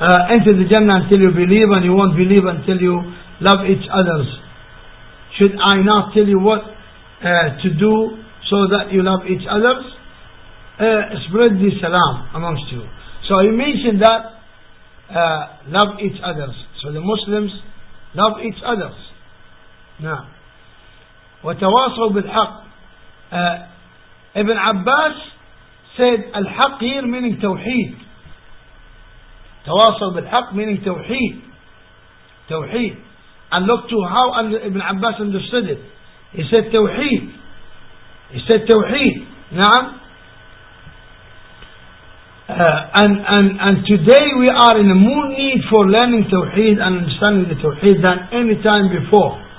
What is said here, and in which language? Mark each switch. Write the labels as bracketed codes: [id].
[en] enter the Jannah until you believe, and you won't believe until you love each other. Should I not tell you what to do so that you love each other? Spread the salam amongst you. So he mentioned that love each other. So the Muslims love each other. Now, [ar] وتواصوا بالحق. [en] Ibn Abbas said الحق here meaning توحيد. [ar] تواصل بالحق [en] meaning [ar] توحيد. توحيد. [en] And look to how Ibn Abbas understood it. He said توحيد. He said توحيد. [ar] نعم. [en] And today we are in a more need for learning Tawheed and understanding the Tawheed than any time before.